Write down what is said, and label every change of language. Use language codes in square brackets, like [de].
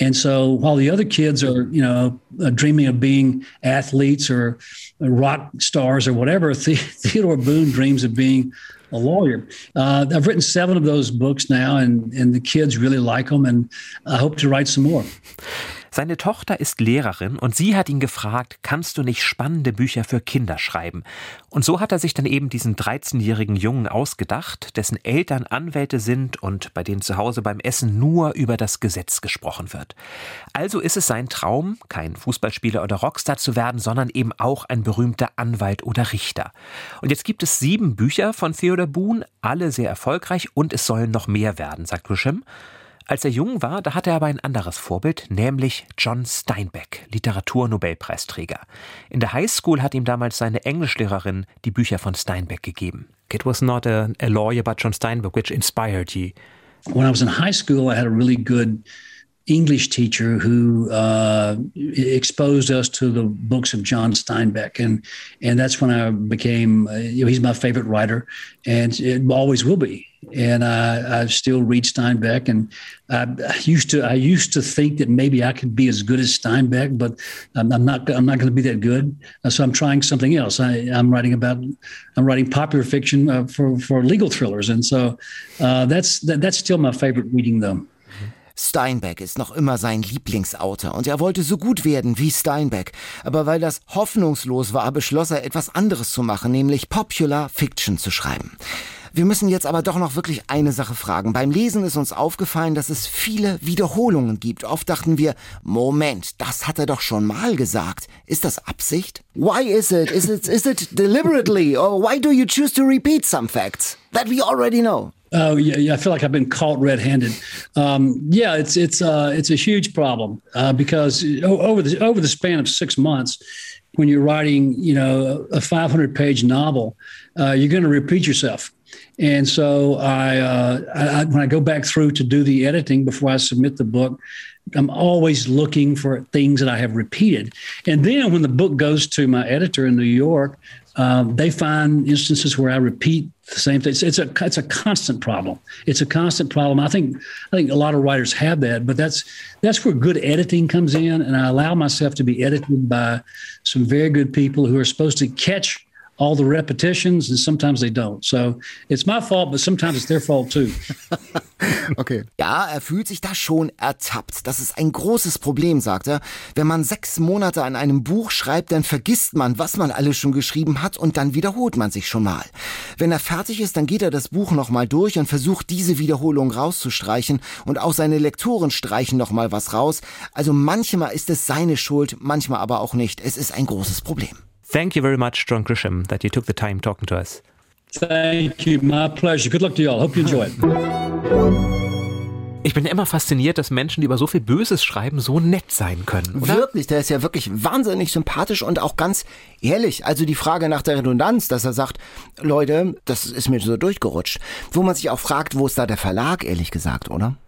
[en] And so while the other kids are, you know, dreaming of being athletes or rock stars or whatever, Theodore Boone dreams of being a lawyer. I've written 7 of those books now, and the kids really like them, and I hope to write some more. [de] Seine Tochter ist Lehrerin und sie hat ihn gefragt, kannst du nicht spannende Bücher für Kinder schreiben? Und so hat er sich dann eben diesen 13-jährigen Jungen ausgedacht, dessen Eltern Anwälte sind und bei denen zu Hause beim Essen nur über das Gesetz gesprochen wird. Also ist es sein Traum, kein Fußballspieler oder Rockstar zu werden, sondern eben auch ein berühmter Anwalt oder Richter. Und jetzt gibt es 7 Bücher von Theodore Boone, alle sehr erfolgreich und es sollen noch mehr werden, sagt Grisham. Als er jung war, da hatte er aber ein anderes Vorbild, nämlich John Steinbeck, Literaturnobelpreisträger. In der High School hat ihm damals seine Englischlehrerin die Bücher von Steinbeck gegeben. [en] It was not a lawyer, but John Steinbeck, which inspired you. When I was in high school, I had a really good English teacher who exposed us to the books of John Steinbeck. And that's when I became, he's my favorite writer, and it always will be. And I still read Steinbeck, and I used to think that maybe I could be as good as Steinbeck, but I'm not going to be that good. So I'm trying something else. I'm writing popular fiction for legal thrillers, and so that's still my favorite reading though. [de] Steinbeck ist noch immer sein Lieblingsautor und er wollte so gut werden wie Steinbeck. Aber weil das hoffnungslos war, beschloss er etwas anderes zu machen, nämlich Popular Fiction zu schreiben. Wir müssen jetzt aber doch noch wirklich eine Sache fragen. Beim Lesen ist uns aufgefallen, dass es viele Wiederholungen gibt. Oft dachten wir, Moment, das hat er doch schon mal gesagt. Ist das Absicht? [en] Why is it? Is it deliberately? Or why do you choose to repeat some facts that we already know? Oh yeah, I feel like I've been caught red-handed. It's a huge problem because over the span of 6 months, when you're writing, you know, a 500-page novel, you're going to repeat yourself. And so I when I go back through to do the editing before I submit the book, I'm always looking for things that I have repeated. And then when the book goes to my editor in New York, they find instances where I repeat the same thing. It's a constant problem. It's a constant problem. I think a lot of writers have that, but that's where good editing comes in. And I allow myself to be edited by some very good people who are supposed to catch all the repetitions, and sometimes they don't. So it's my fault, but sometimes it's their fault too. Okay. [de] Ja, er fühlt sich da schon ertappt. Das ist ein großes Problem, sagt er. Wenn man 6 Monate an einem Buch schreibt, dann vergisst man, was man alles schon geschrieben hat, und dann wiederholt man sich schon mal. Wenn er fertig ist, dann geht er das Buch nochmal durch und versucht, diese Wiederholung rauszustreichen, und auch seine Lektoren streichen nochmal was raus. Also manchmal ist es seine Schuld, manchmal aber auch nicht. Es ist ein großes Problem. [en] Thank you very much, John Grisham, that you took the time talking to us. Thank you, my pleasure. Good luck to you all. Hope you enjoy it. [de] Ich bin immer fasziniert, dass Menschen, die über so viel Böses schreiben, so nett sein können. Oder? Wirklich, der ist ja wirklich wahnsinnig sympathisch und auch ganz ehrlich. Also die Frage nach der Redundanz, dass er sagt, Leute, das ist mir so durchgerutscht. Wo man sich auch fragt, wo ist da der Verlag, ehrlich gesagt, oder?